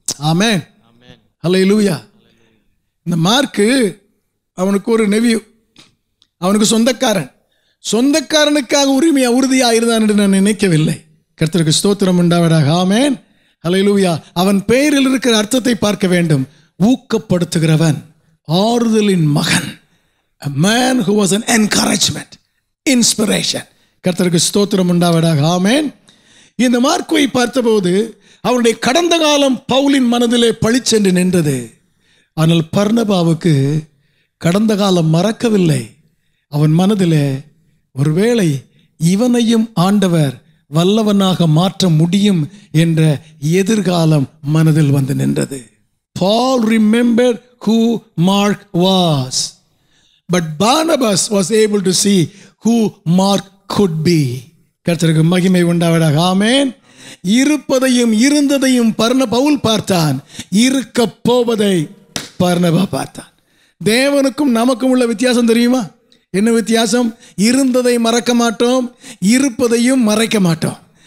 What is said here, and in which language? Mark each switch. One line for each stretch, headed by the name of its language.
Tamil: ஆமேன், அல்லேலூயா. இந்த மார்க்கு அவனுக்கு ஒரு நெவியூ, அவனுக்கு சொந்தக்காரன், சொந்தக்காரனுக்காக உரிமையா உறுதியாக இருந்தான் என்று நான் நினைக்கவில்லை. கர்த்தருக்கு ஸ்தோத்திரம் உண்டாவதாக. ஆமேன், அல்லேலூயா. அவன் பெயரில் இருக்கிற அர்த்தத்தை பார்க்க வேண்டும். ஊக்கப்படுத்துகிறவன், ஆறுதலின் மகன்,
English: a man who was an encouragement, inspiration.
Tamil: கர்த்தருக்கு ஸ்தோத்திரம் உண்டாவதாக. ஆமேன். இந்த மார்க்கை பார்த்தபோது அவனுடைய கடந்த காலம் பவுலின் மனதிலே பளிச்சென்று நின்றது. ஆனால் பர்னபாவுக்கு கடந்த காலம் மறக்கவில்லை. அவன் மனதிலே ஒருவேளை இவனையும் ஆண்டவர் வல்லவனாக மாற்ற முடியும் என்ற எதிர்காலம் மனதில் வந்து நின்றது.
English: Paul remembered who Mark was, but Barnabas was able to see who Mark could be.
Tamil: கர்த்தருக்கு மகிமை உண்டாவதாக. ஆமென். இருப்பதையும் இருந்ததையும் பர்னபாவுல் பார்த்தான், இருக்க போவதை பர்னபா பார்த்தான். தேவனுக்கும் நமக்கும் உள்ள வித்தியாசம் தெரியுமா? என்ன வித்தியாசம்? இருந்ததை மறக்க மாட்டோம், இருப்பதையும் மறைக்க மாட்டோம்.